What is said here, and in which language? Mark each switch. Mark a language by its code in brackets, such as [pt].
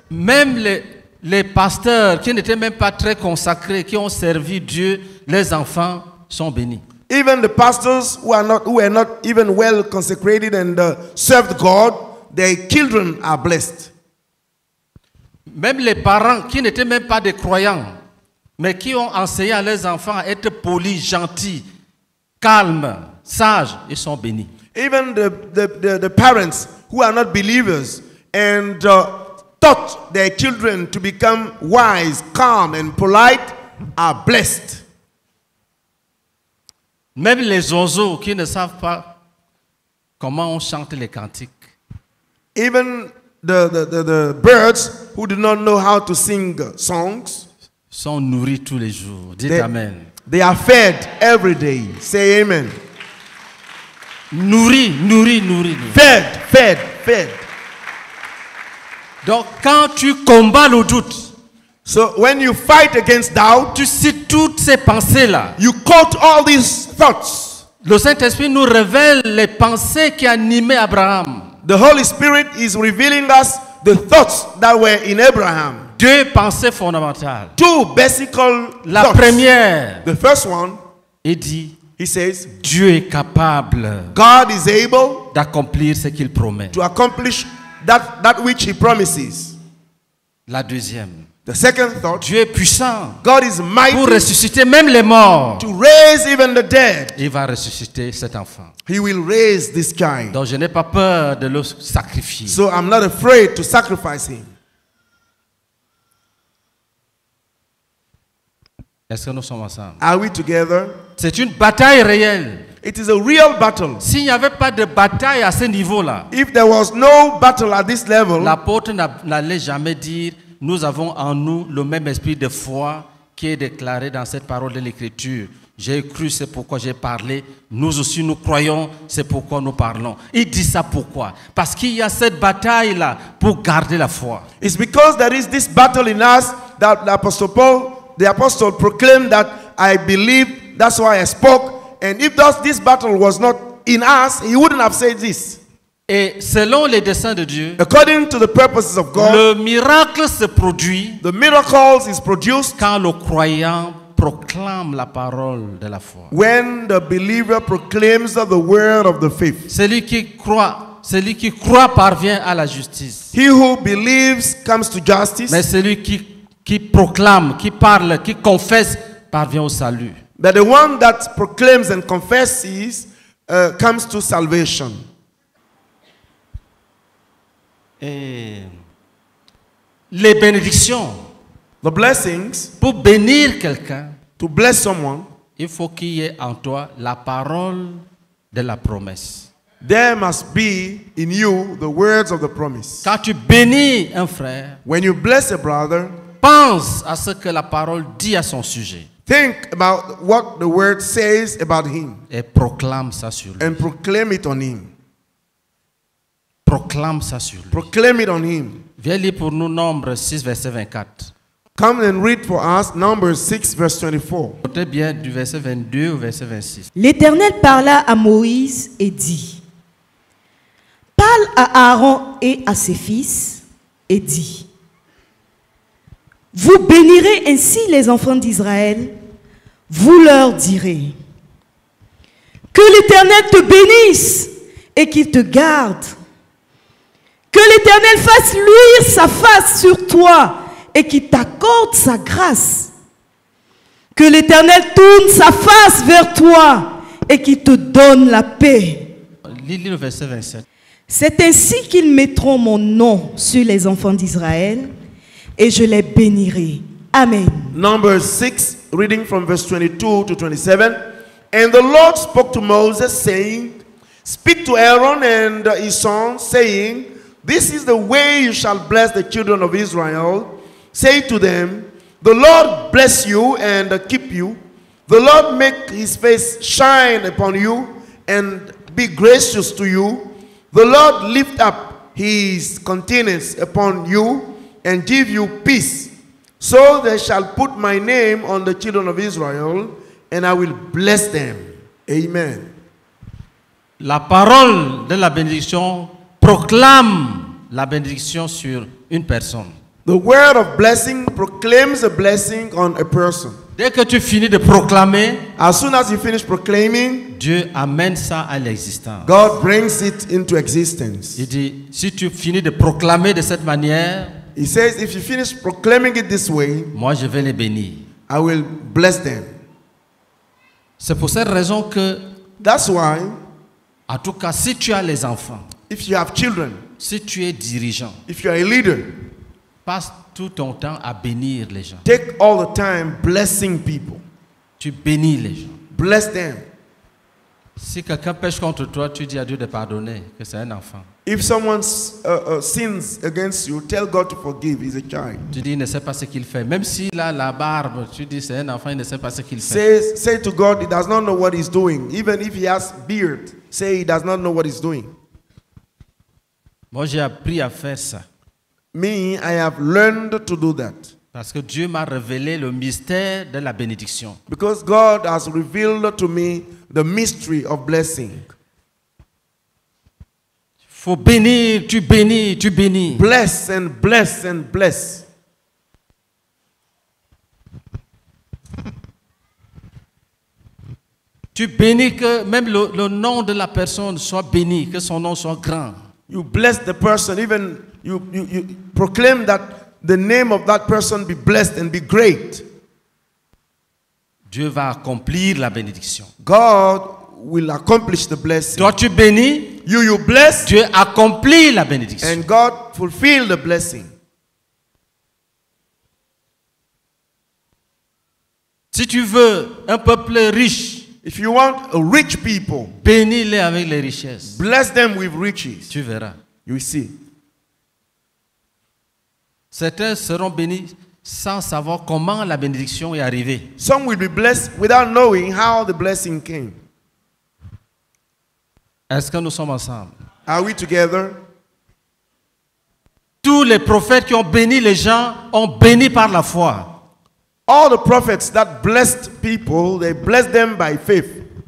[fr] Même les pasteurs qui n'étaient même pas très consacrés, qui ont servi Dieu, les enfants sont bénis. [en] Even the pastors who were not even well consecrated and served God, their children are blessed. [fr] Même les parents qui n'étaient même pas des croyants, mais qui ont enseigné à leurs enfants à être polis, gentils, calmes, sages, ils sont bénis. [en] Even the parents who are not believers and taught their children to become wise, calm, and polite are blessed. [fr] Même les oiseaux qui ne savent pas comment on chante les cantiques. [en] Even the birds who do not know how to sing songs [fr] sont nourris tous les jours. Dites amen. [en] They are fed every day. Say amen. [fr] Nourris. [en] Fed. [fr] Donc quand tu combats le doute, [en] so when you fight against doubt, [fr] tu cites toutes ces pensées là, [en] you quote all these thoughts. [fr] Le Saint-Esprit nous révèle les pensées qui animaient Abraham. [en] The Holy Spirit is revealing us the thoughts that were in Abraham. [fr] Deux pensées fondamentales. [en] Two basic la thoughts. [fr] Première, [en] the first one, [fr] il dit, [en] he says, [fr] Dieu est capable, [en] God is able, [fr] d'accomplir ce qu'il promet, [en] to accomplish that which he promises. [fr] La deuxième, [en] the second thought, [fr] Dieu est puissant, [en] God is mighty, [fr] pour ressusciter même les morts, [en] to raise even the dead. [fr] Il va ressusciter cet enfant. [en] He will raise this child. [fr] Donc je n'ai pas peur de le sacrifier. [en] So I'm not afraid to sacrifice him. [fr] Est-ce que nous sommes ensemble? [en] Are we together? [fr] C'est une bataille réelle. [en] It is a real battle. [fr] S'il n'y avait pas de bataille à ce niveau-là, [en] if there was no battle at this level, [fr] l'apôtre n'allait jamais dire, nous avons en nous le même esprit de foi qui est déclaré dans cette parole de l'Écriture. J'ai cru, c'est pourquoi j'ai parlé. Nous aussi, nous croyons, c'est pourquoi nous parlons. Il dit ça pourquoi? Parce qu'il y a cette bataille-là pour garder la foi. [en] It's because there is this battle in us that the apostle proclaimed that I believe, that's why I spoke. And if this battle was not in us, he wouldn't have said this. [fr] Et selon les desseins de Dieu, [en] according to the purposes of God, [fr] le miracle se produit, [en] the miracles is produced, [fr] quand le croyant proclame la parole de la foi. [en] When the believer proclaims the word of the faith, [fr] celui qui croit parvient à la justice. [en] He who believes comes to justice. [fr] Mais celui qui proclame, qui parle, qui confesse parvient au salut. [en] But the one that proclaims and confesses comes to salvation. [fr] Les bénédictions, [en] the blessings, [fr] pour bénir quelqu'un, [en] to bless someone, [fr] il faut qu'il y ait en toi la parole de la promesse. [en] There must be in you the words of the promise. [fr] Quand tu bénis un frère, [en] when you bless a brother, [fr] pense à ce que la parole dit à son sujet. [en] Think about what the word says about him. [fr] Et proclame ça sur lui. [en] And proclaim it on him. [fr] Proclame ça sur lui. [en] Proclaim it on him. [fr] Viens lire pour nous Nombre 6, verset 24. [en] Come and read for us Numbers 6, verse 24. [fr] Notez bien du verset 22 au verset 26. L'Éternel parla à Moïse et dit, parle à Aaron et à ses fils et dit, Vous bénirez ainsi les enfants d'Israël. Vous leur direz, que l'Éternel te bénisse et qu'il te garde. Que l'Éternel fasse luire sa face sur toi et qu'il t'accorde sa grâce. Que l'Éternel tourne sa face vers toi et qu'il te donne la paix. Lis le verset 27. C'est ainsi qu'ils mettront mon nom sur les enfants d'Israël et je les bénirai. Amen. [en] Number 6, reading from verse 22 to 27. And the Lord spoke to Moses, saying, speak to Aaron and his sons, saying, this is the way you shall bless the children of Israel. Say to them, the Lord bless you and keep you. The Lord make his face shine upon you and be gracious to you. The Lord lift up his countenance upon you and give you peace. So they shall put my name on the children of Israel and I will bless them. Amen. [fr] La parole de la bénédiction proclame la bénédiction sur une personne. [en] The word of blessing proclaims a blessing on a person. [fr] Dès que tu finis de proclamer, [en] as soon as you finish proclaiming, [fr] Dieu amène ça à l'existence. [en] God brings it into existence. [fr] Il dit, si tu finis de proclamer de cette manière, [en] he says, if you finish proclaiming it this way, [fr] moi je vais les bénir. [en] I will bless them. [fr] C'est pour cette raison que, [en] that's why, [fr] en tout cas, si tu as les enfants, [en] if you have children, [fr] si tu es dirigeant, [en] if you are a leader, [fr] passe tout ton temps à bénir les gens. [en] Take all the time blessing people. [fr] Tu bénis les gens. [en] Bless them. [fr] Si quelqu'un pêche contre toi, tu dis à Dieu de pardonner, que c'est un enfant. [en] If someone sins against you, tell God to forgive, he's a child. [fr] Tu dis, il ne sait pas ce qu'il fait. Même s'il a la barbe, tu dis, c'est un enfant, il ne sait pas ce qu'il fait. [en] Say to God, he does not know what he's doing. Even if he has beard, say he does not know what he's doing. [fr] Moi, j'ai appris à faire ça. [en] Me, I have learned to do that. [fr] Parce que Dieu m'a révélé le mystère de la bénédiction. [en] Because God has revealed to me the mystery of blessing. [fr] Faut bénir, tu bénis, tu bénis. [en] Bless and bless and bless. [fr] Tu bénis que même le nom de la personne soit béni, que son nom soit grand. [en] You bless the person, even you proclaim that the name of that person be blessed and be great. [fr] Dieu va accomplir la bénédiction. [en] God will accomplish the blessing. [fr] Toi tu bénis, [en] you bless, [fr] Dieu accomplit la bénédiction. [en] And God fulfill the blessing. [fr] Si tu veux un peuple riche, [en] if you want a rich people, [fr] bénis-les avec les richesses. [en] Bless them with riches. [fr] Tu verras. [en] You will see. [fr] Certains seront bénis sans savoir comment la bénédiction est arrivée. [en] Some will be blessed without knowing how the blessing came. [fr] Est-ce que nous sommes ensemble? [en] Are we together? [fr] Tous les prophètes qui ont béni les gens ont béni par la foi. [en] All the prophets that blessed people, they blessed them by faith.